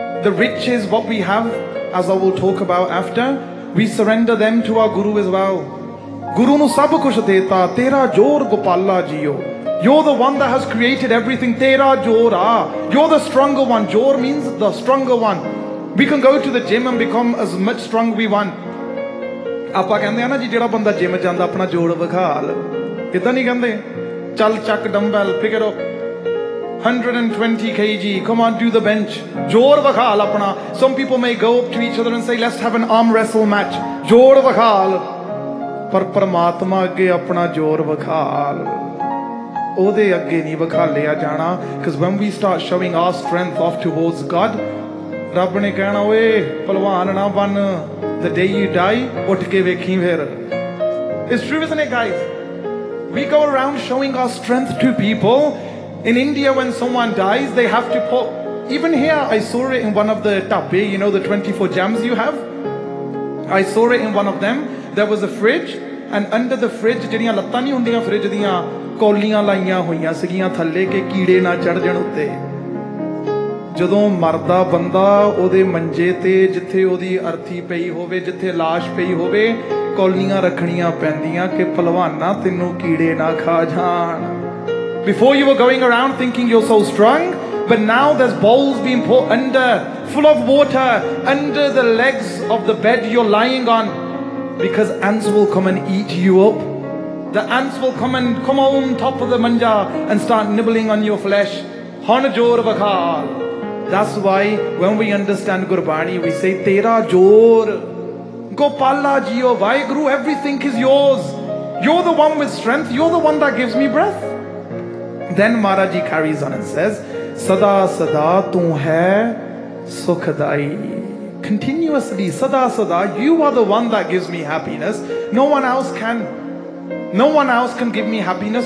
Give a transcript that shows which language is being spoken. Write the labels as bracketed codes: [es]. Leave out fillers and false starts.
[en] The riches, what we have, as I will talk about after, we surrender them to our Guru as well. [pa] Guru nu sab kush deta, tera jor Gopala jiyo. [en] You're the one that has created everything, [pa] tera jor aa. [en] You're the stronger one. Jor means the stronger one. We can go to the gym and become as much strong we want. [pa] ਆਪਾਂ ਕਹਿੰਦੇ ਆ ਨਾ ਜੀ ਜਿਹੜਾ ਬੰਦਾ gym ਜਾਂਦਾ ਆਪਣਾ ਜੋੜ ਵਿਖਾਲ ਕਿੱਦਾਂ ਨਹੀਂ ਕਹਿੰਦੇ ਚੱਲ ਚੱਕ [en] dumbbell figure 120 kg come on do the bench [pa] ਜੋੜ ਵਿਖਾਲ ਆਪਣਾ [en] some people may go up to each other and say let's have an arm wrestle match [pa] ਜੋੜ ਵਿਖਾਲ ਪਰ ਪਰਮਾਤਮਾ ਅੱਗੇ ਆਪਣਾ ਜੋੜ ਵਿਖਾਲ ਉਹਦੇ ਅੱਗੇ ਨਹੀਂ ਵਿਖਾਲਿਆ ਜਾਣਾ ਕਿਉਂਕਿ [en] when we start showing our strength of towards God [pa] ਰੱਬ ਨੇ ਕਹਿਣਾ ਓਏ ਭਲਵਾਨ ਨਾ ਬਣ [en] The day you die, [pa] uth ke vekhi phir. [en] It's true, isn't it, guys? We go around showing our strength to people. In India, when someone dies, they have to put... Even here, I saw it in one of the tabi, you know, the 24 jams you have. I saw it in one of them. There was a fridge, and under the fridge, [pa] jidhiyan lattan nahi hundiyan fridge diyan, kolliyan laiyan hoiyan sigiyan thalle ke keede na chadh jan utte. ਜਦੋਂ ਮਰਦਾ ਬੰਦਾ ਉਹਦੇ ਮੰਜੇ ਤੇ ਜਿੱਥੇ ਉਹਦੀ ਅਰਥੀ ਪਈ ਹੋਵੇ ਜਿੱਥੇ ਲਾਸ਼ ਪਈ ਹੋਵੇ ਕੌਲੀਆਂ ਰੱਖਣੀਆਂ ਪੈਂਦੀਆਂ ਕਿ ਭਲਵਾਨਾ ਤੈਨੂੰ ਕੀੜੇ ਨਾ ਖਾ ਜਾਣ [en] before you were going around thinking you are so strong but now there's bowls being put under full of water under the legs of the bed you are lying on because ants will come and eat you up the ants will come and come on top of the ਮੰਜਾ and start nibbling on your flesh [pa] ਹੁਣ ਜ਼ੋਰ ਵਿਖਾ [en] That's why when we understand Gurbani, we say, Tera Jor, Gopala Jiyo, Vaheguru, everything is yours. You're the one with strength. You're the one that gives me breath. Then Maharaj Ji carries on and says, Sada Sada Tu Hai Sukhdai. Continuously, Sada Sada, you are the one that gives me happiness. No one else can. No one else can give me happiness.